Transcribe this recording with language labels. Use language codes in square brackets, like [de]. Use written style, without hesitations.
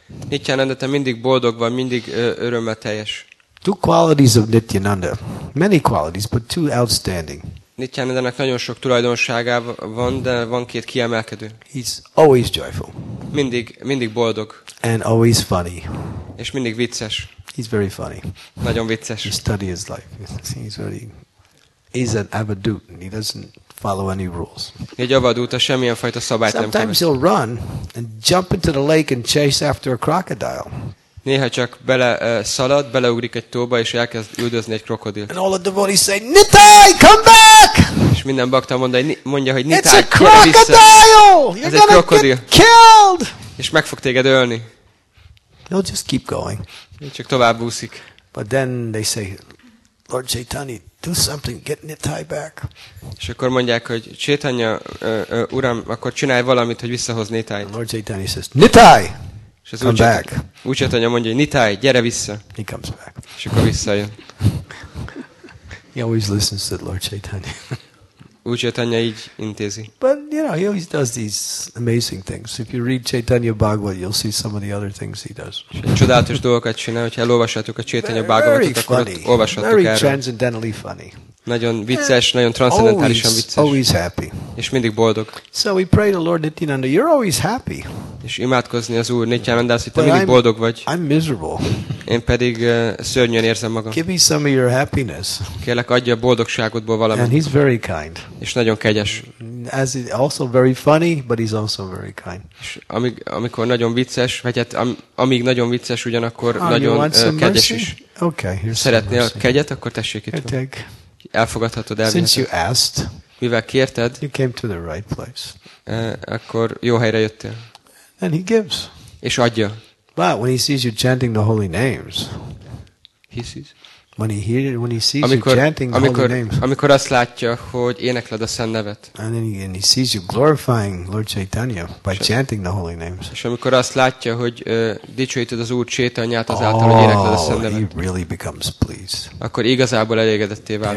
[hu] Nityananda, te mindig boldog vagy, mindig örömmel teljes. [en] Two qualities of Nityananda, many qualities, but two outstanding. [hu] Nityanandának nagyon sok tulajdonsága van, de van két kiemelkedő. [en] He's always joyful. [hu] Mindig boldog. [en] And always funny. [hu] És mindig vicces. [en] He's very funny. [hu] Nagyon vicces. [en] He studies his life. He's an avadut. He doesn't follow any rules. [hu] Egy avadúta, semmilyen fajta szabályt nem követ. [en] Sometimes he'll run and jump into the lake and chase after a crocodile. [hu] Néha csak bele szalad, beleugrik egy tóba és elkezd üldözni egy krokodilt. [en] And all the devotees say, Nitai, come back! [hu] És minden bakta mondja, hogy Nitai, [en] it's a crocodile! You're gonna get killed! [hu] És meg fog téged ölni. [en] They'll just keep going. [hu] Csak tovább úszik. [en] But then they say, Lord Chaitanya, do something, get Nitai back. [hu] És akkor mondják, hogy Chaitanya, uram, akkor csinálj valamit, hogy visszahoz Nitai. [en] Lord Chaitanya says, Nitai! [hu] És az úgy csatanya mondja, hogy Nitai, gyere vissza. [en] He comes back. [hu] És akkor visszajön. [en] He always listens to Lord Chaitanya. [hu] Úgy csatanya így intézi. [en] But, you know, he always does these amazing things. If you read Chaitanya Bhagavat, you'll see some of the other things he does. [hu] És egy csodálatos dolgokat csinál, hogyha elolvashatjuk a Chaitanya Bhagavatot, akkor ott olvashatjuk erről. [en] Very transcendentally funny. [hu] Nagyon vicces, nagyon transzendentálisan vicces. [en] Always happy. [hu] És mindig boldog. [en] So we pray to Lord Nityananda, you're always happy. [hu] És imádkozni az Úr Nityanandász, hogy te mindig boldog vagy. [en] I'm miserable. [hu] Én pedig szörnyűen érzem magam. [en] Give me some of your happiness. [hu] Kérlek, adja a boldogságodból valamit. [en] And he's very kind. [hu] És nagyon kegyes. [en] As he, also very funny, but he's also very kind. [hu] És amikor nagyon vicces, vagy hát amíg nagyon vicces, ugyanakkor nagyon kegyes is. [en] Okay, here's [hu] szeretnél a kegyet, akkor tessék itt van. Elfogadhatod, elviheted. [en] Since you asked, [hu] mivel kérted, [en] you came to the right place. [hu] Akkor jó helyre jöttél. [en] And he gives. [hu] És adja. [en] But when he sees you chanting the holy names, he sees. When he sees you chanting the holy names. [hu] Amikor azt látja, hogy énekled a Szent nevet. [en] And he sees you glorifying Lord Chaitanya by chanting the holy names. [hu] És amikor azt látja, hogy dicsőíted az Úr Chaitanyát azáltal, hogy énekled a Szent nevet. [en] He really becomes pleased. [hu] Akkor igazából elégedetté válik.